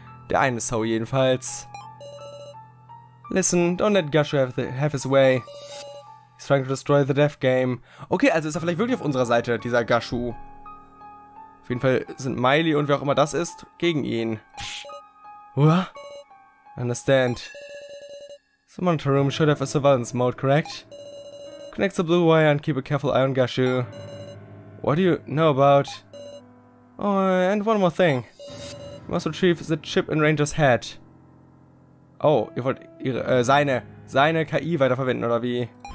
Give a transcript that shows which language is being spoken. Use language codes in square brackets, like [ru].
[de] Der eine So jedenfalls. [en] Listen, don't let Gushu have his way. He's trying to destroy the death game. [de] Okay, also ist er vielleicht wirklich auf unserer Seite, dieser Gushu. Auf jeden Fall sind Miley und wer auch immer das ist, gegen ihn. [en] What? Understand. The monitor room should have a surveillance mode, correct? Connect the blue wire and keep a careful eye on Gushu. What do you know about? Oh, and one more thing. You must retrieve the chip in Ranger's head. [de] Oh, ihr wollt seine KI weiterverwenden, oder wie?